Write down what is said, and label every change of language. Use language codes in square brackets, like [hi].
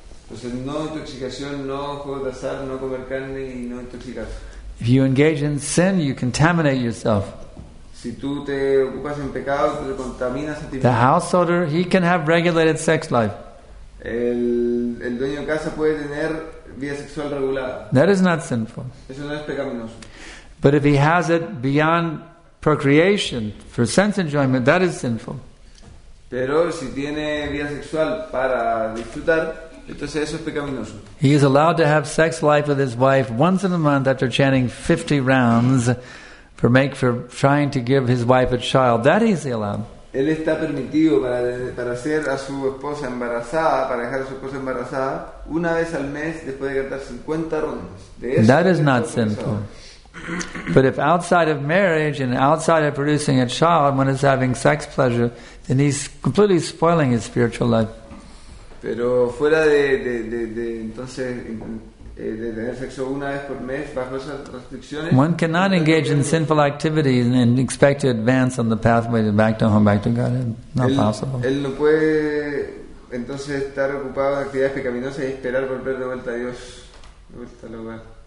[es] Entonces, no intoxicación, no juego de azar, no comer carne y no intoxicarse. [en] If you engage in sin, you contaminate yourself. [es] Si tú te ocupas en pecado, te contaminas a ti. [en] The householder, he can have regulated sex life. [es] El dueño de casa puede tener vida sexual regulada. [en] That is not sinful. [es] Eso no es pecaminoso. [en] But if he has it beyond procreation for sense enjoyment, that is sinful. [es] Pero si tiene vida sexual para disfrutar, entonces eso es pecaminoso. [en] He is allowed to have sex life with his wife once in a month after chanting 50 rounds for trying to give his wife a child. That is allowed. [es] Él está permitido para hacer a su esposa embarazada, para dejar a su esposa embarazada, una vez al mes después de cantar 50 rondas. [en] That is not sinful. But if outside of marriage and outside of producing a child, one is having sex pleasure, then he's completely spoiling his spiritual life. [es] Pero fuera de entonces de tener sexo una vez por mes bajo esas restricciones. [en] One cannot engage in sinful activities and expect to advance on the pathway to back to home, back to God. Not possible. [es] Él no puede entonces estar ocupado en actividades pecaminosas y esperar volver de vuelta a Dios, de vuelta al hogar.